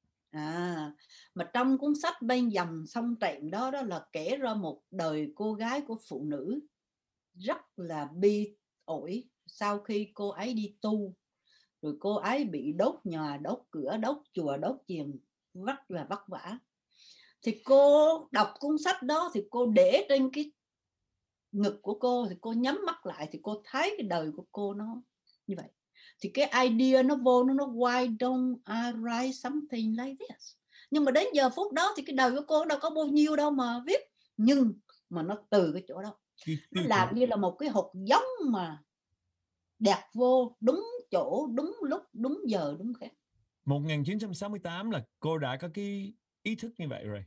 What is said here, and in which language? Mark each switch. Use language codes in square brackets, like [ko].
[vi] À, mà trong cuốn sách Bên Dòng Sông Trẹm đó là kể ra một đời cô gái của phụ nữ rất là bi ổi sau khi cô ấy đi tu. Rồi cô ấy bị đốt nhà, đốt cửa, đốt chùa, đốt chiền, rất là vất vả. Thì cô đọc cuốn sách đó thì cô để trên cái ngực của cô, thì cô nhắm mắt lại thì cô thấy cái đời của cô nó như vậy. Thì cái idea nó vô, nó [en] why don't I write something like this. [vi] Nhưng mà đến giờ phút đó thì cái đời của cô đâu có bao nhiêu đâu mà viết. Nhưng mà nó từ cái chỗ đó. Nó làm như là một cái hộp giống mà đẹp vô đúng chỗ, đúng lúc, đúng giờ, đúng khác. 1968 là cô đã có cái ý thức như vậy rồi.